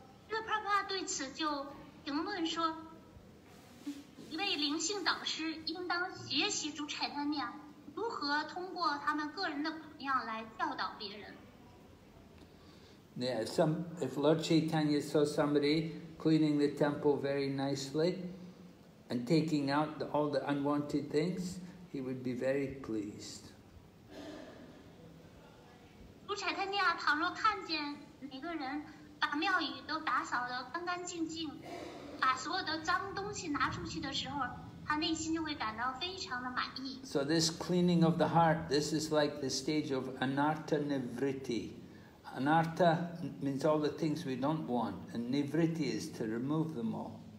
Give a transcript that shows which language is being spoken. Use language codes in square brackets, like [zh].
[zh] Srila Prabhupada 对此就评论说，一位灵性导师应当学习主柴丹尼亚如何通过他们个人的榜样来教导别人。 [en] Yeah, if Lord Chaitanya saw somebody cleaning the temple very nicely and taking out all the unwanted things, he would be very pleased. [zh] Chaitanya 倘若看见每个人把庙宇都打扫得干干净净，把所有的脏东西拿出去的时候，他内心就会感到非常的满意。 [en] So this cleaning of the heart, this is like the stage of anatta nivritti. Anatta means all the things we don't want, and nivritti is to remove them all.